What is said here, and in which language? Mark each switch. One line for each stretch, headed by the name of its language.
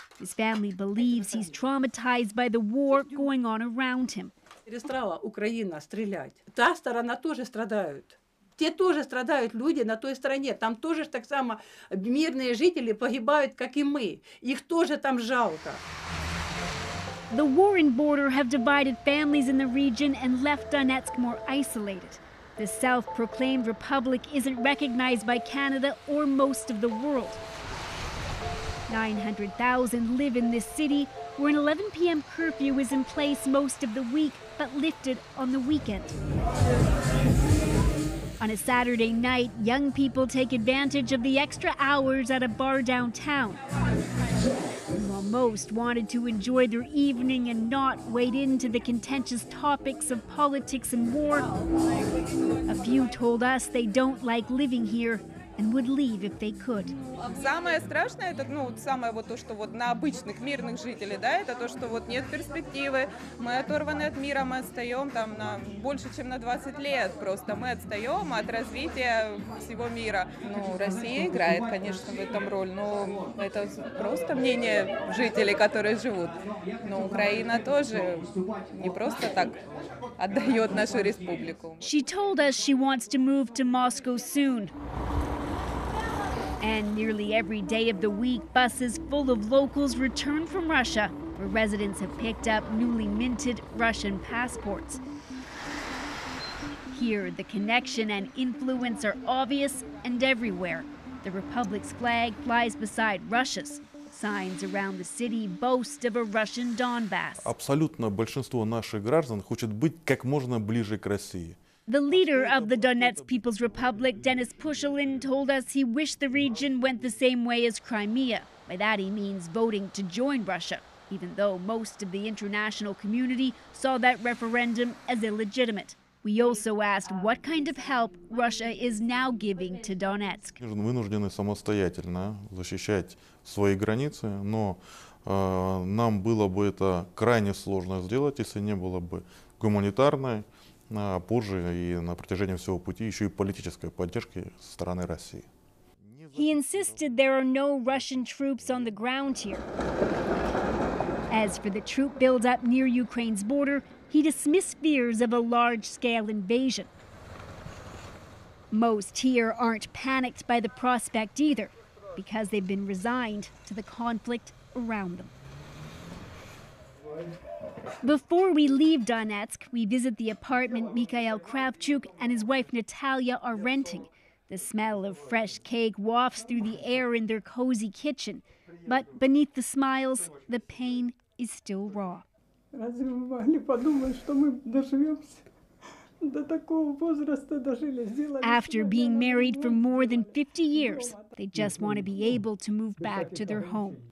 English: His family believes he's traumatized by the war going on around him.
Russian: Перестала Украина стрелять. Та сторона тоже страдают. Те тоже страдают люди на той стороне. Там тоже так само мирные жители погибают, как и мы. Их тоже там жалко.
English: The war and border have divided families in the region and left Donetsk more isolated. The self-proclaimed republic isn't recognized by Canada or most of the world. 900,000 live in this city, where an 11 p.m. curfew is in place most of the week, but lifted on the weekend. On a Saturday night, young people take advantage of the extra hours at a bar downtown. Most wanted to enjoy their evening and not wade into the contentious topics of politics and war. A few told us they don't like living here and would leave if they could.
Russian: Самое страшное это, ну, самое вот то, что вот на обычных мирных жителей, да, это то, что вот нет перспективы. Мы оторваны от мира, мы отстаём там на больше, чем на 20 лет. Просто мы отстаём от развития всего мира. Ну, Россия играет, конечно, в этом роль, но это просто мнение жителей, которые живут. Но Украина тоже не просто так отдаёт нашу республику.
English: She told us she wants to move to Moscow soon. And nearly every day of the week, buses full of locals return from Russia, where residents have picked up newly minted Russian passports. Here, the connection and influence are obvious and everywhere. The Republic's flag flies beside Russia's. Signs around the city boast of a Russian Donbass.
Russian: Абсолютно большинство наших граждан хочет быть как можно ближе к России.
English: The leader of the Donetsk People's Republic, Denis Pushilin, told us he wished the region went the same way as Crimea. By that he means voting to join Russia, even though most of the international community saw that referendum as illegitimate. We also asked what kind of help Russia is now giving to Donetsk.
Russian: Мы вынуждены самостоятельно защищать свои границы, но нам было бы это крайне сложно сделать, если не было бы гуманитарной, позже и на протяжении всего пути еще и политической поддержки со стороны России.
English: He insisted there are no Russian troops on the ground here. As for the troop buildup near Ukraine's border, he dismissed fears of a large-scale invasion. Most here aren't panicked by the prospect either, because they've been resigned to the conflict around them. Before we leave Donetsk, we visit the apartment Mikhail Kravchuk and his wife Natalia are renting. The smell of fresh cake wafts through the air in their cozy kitchen. But beneath the smiles, the pain is still raw.
Russian: Разве мы могли подумать, что мы доживемся?
English: After being married for more than 50 years, they just want to be able to move back to their home.